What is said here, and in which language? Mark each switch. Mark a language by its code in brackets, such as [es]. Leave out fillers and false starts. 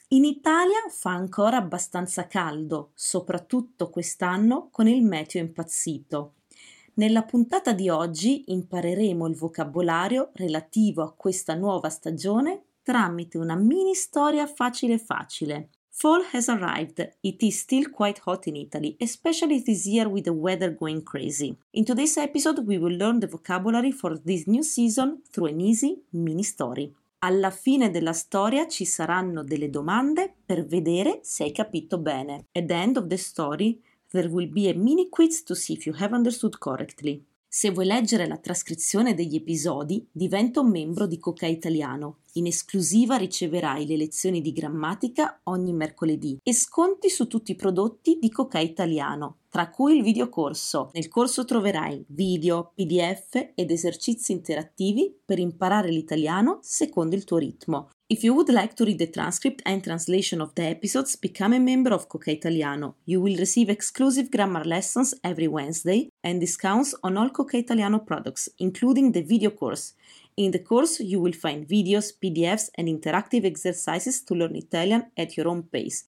[it] In Italia fa ancora abbastanza caldo, soprattutto quest'anno con il meteo impazzito. Nella puntata di oggi impareremo il vocabolario relativo a questa nuova stagione tramite una mini storia facile facile. [en] Fall has arrived. It is still quite hot in Italy, especially this year with the weather going crazy. In today's episode we will learn the vocabulary for this new season through an easy mini story. [it] Alla fine della storia ci saranno delle domande per vedere se hai capito bene. [en] At the end of the story, there will be a mini quiz to see if you have understood correctly. [it] Se vuoi leggere la trascrizione degli episodi, diventa un membro di Coca Italiano. In esclusiva riceverai le lezioni di grammatica ogni mercoledì e sconti su tutti i prodotti di Coca Italiano, tra cui il videocorso. Nel corso troverai video, PDF ed esercizi interattivi per imparare l'italiano secondo il tuo ritmo. [en] If you would like to read the transcript and translation of the episodes, become a member of Coca Italiano. You will receive exclusive grammar lessons every Wednesday and discounts on all Coca Italiano products, including the video course. In the course, you will find videos, PDFs, and interactive exercises to learn Italian at your own pace.